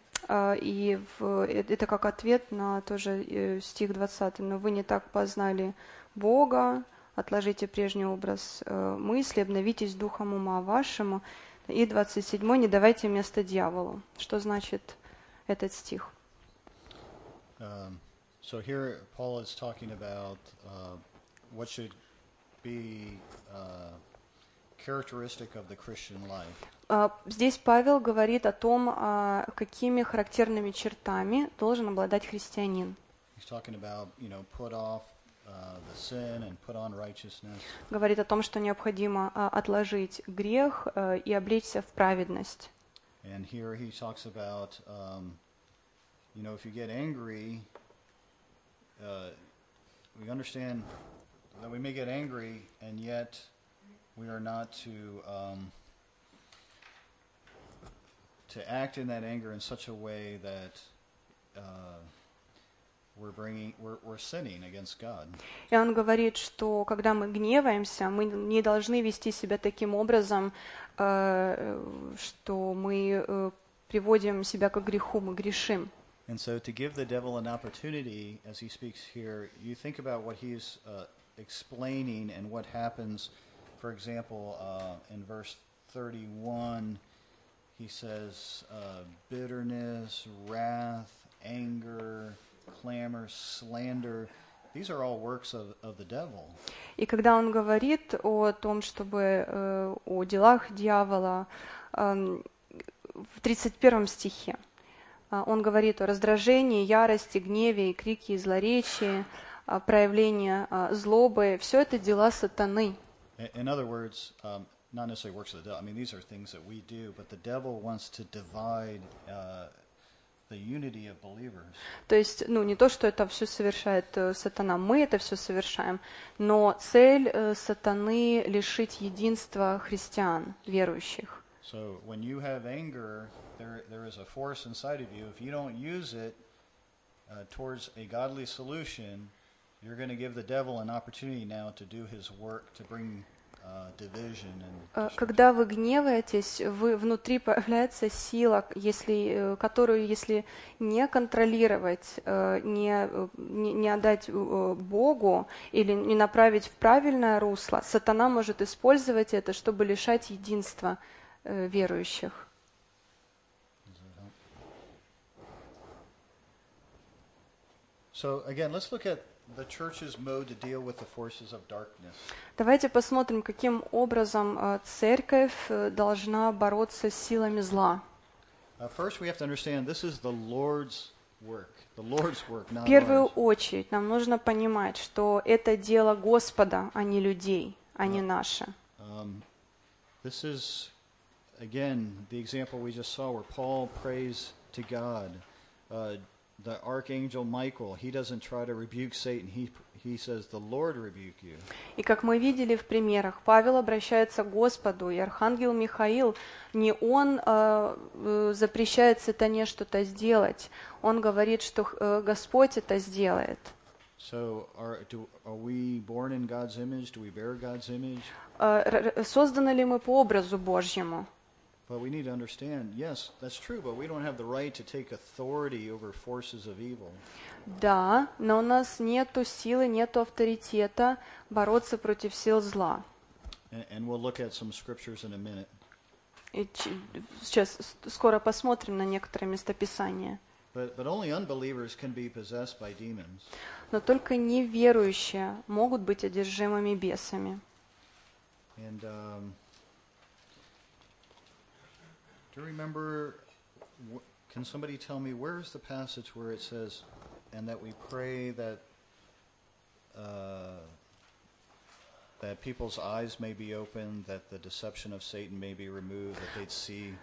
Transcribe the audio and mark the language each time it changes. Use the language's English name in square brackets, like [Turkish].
[Russian] И это как ответ на тоже стих 20. Но вы не так познали Бога, отложите прежний образ мысли, обновитесь духом ума вашему. И 27. Не давайте места дьяволу. Что значит этот стих? [English] So here Paul is talking about what should be characteristic of the Christian life. [Russian] Здесь Павел говорит о том, какими характерными чертами должен обладать христианин. [English] He's talking about, you know, put off the sin and put on righteousness. [Russian] Говорит о том, что необходимо отложить грех и облечься в праведность. [English] And here he talks about, you know, if you get angry, we understand that we may get angry, and yet we are not to to act in that anger in such a way that we're sinning against God. [Russian] И он говорит, что когда мы гневаемся, мы не должны вести себя таким образом, что мы приводим себя к греху, мы грешим. [English] And so to give the devil an opportunity, as he speaks here, you think about what he's explaining and what happens, for example, in verse 31, he says, bitterness, wrath, anger, clamor, slander. These are all works of the devil. [Russian] И когда он говорит о том, чтобы о делах дьявола, в 31 стихе, он говорит о раздражении, ярости, гневе, крике и злоречии, проявлении злобы. Все это дела сатаны. [English] In other words, not necessarily works of the devil. I mean, these are things that we do, but the devil wants to divide the unity of believers. [Russian] То есть, ну, не то, что это все совершает сатана, мы это все совершаем, но цель сатаны — лишить единства христиан, верующих. [English] So, when you have anger, there is a force inside of you. If you don't use it towards a godly solution, you're going to give the devil an opportunity now to do his work, to bring division and destruction. [Russian] Когда вы гневаетесь, вы внутри появляется сила, если которую если не контролировать, не отдать Богу или не направить в правильное русло, сатана может использовать это, чтобы лишать единства верующих. [English] So again, let's look at the church's mode to deal with the forces of darkness. [Russian] Давайте посмотрим, каким образом церковь должна бороться с силами зла. [English] First, we have to understand this is the Lord's work. The Lord's work, not ours. [Russian] В первую очередь, нам нужно понимать, что это дело Господа, а не людей, а не наше. [English] This is again the example we just saw, where Paul prays to God. The archangel Michael, he doesn't try to rebuke Satan. He says, "The Lord rebuke you." [Russian] И как мы видели в примерах, Павел обращается к Господу, и архангел Михаил не он запрещает сатане что-то сделать. Он говорит, что Господь это сделает. [English] So are we born in God's image? Do we bear God's image? [Russian] Созданы ли мы по образу Божьему? [English] But we need to understand, yes, that's true, but we don't have the right to take authority over forces of evil. [Russian] Да, но у нас нету силы, нету авторитета бороться против сил зла. [English] And we'll look at some scriptures in a minute. [Russian] И сейчас скоро посмотрим на некоторые места Писания. [English] But only unbelievers can be possessed by demons. [Russian] Но только неверующие могут быть одержимыми бесами. [English] And do you remember, can somebody tell me, where is the passage where it says, and that we pray that that people's eyes may be opened, that the deception of Satan may be removed, that they'd see?